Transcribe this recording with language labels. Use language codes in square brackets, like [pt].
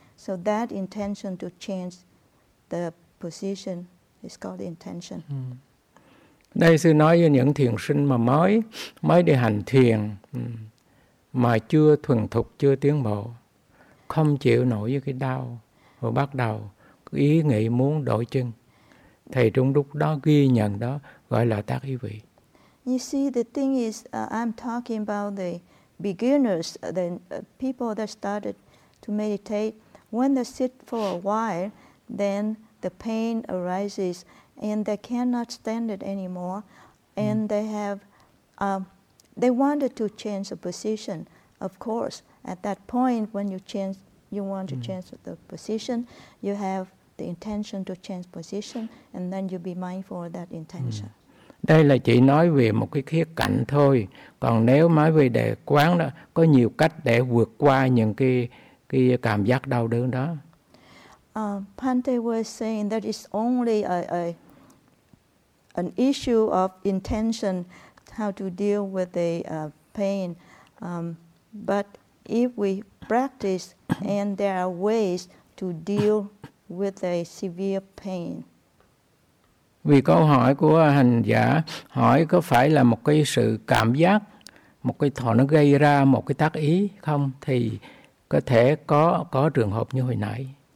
[en] So that intention to change the position is called intention. [vi] Đây sư nói với những thiền sinh mà mới đi hành thiền mà chưa thuần thục, chưa tiến bộ, không chịu nổi với cái đau, và bắt đầu ý nghĩ muốn đổi chân, thầy trung đúc đó ghi nhận đó, gọi là tác ý vị. [en] You see, the thing is, I'm talking about the beginners, the people that started to meditate. When they sit for a while, then the pain arises and they cannot stand it anymore. And mm. They wanted to change the position, of course. At that point, when you change, you want to change the position, you have the intention to change position, and then you be mindful of that intention. Mm. [vi] Đây là chỉ nói về một cái khía cạnh thôi. Còn nếu nói về đề quán đó, có nhiều cách để vượt qua những cái cảm giác đau đớn đó. [en] Bhante was saying that it's only an issue of intention, how to deal with the pain. But if we practice, and there are ways to deal with a severe pain. [vi] Vì câu hỏi của hành giả hỏi có phải là một cái sự cảm giác, một cái thọ nó gây ra một cái tác ý không? Thì có thể có trường hợp như hồi nãy.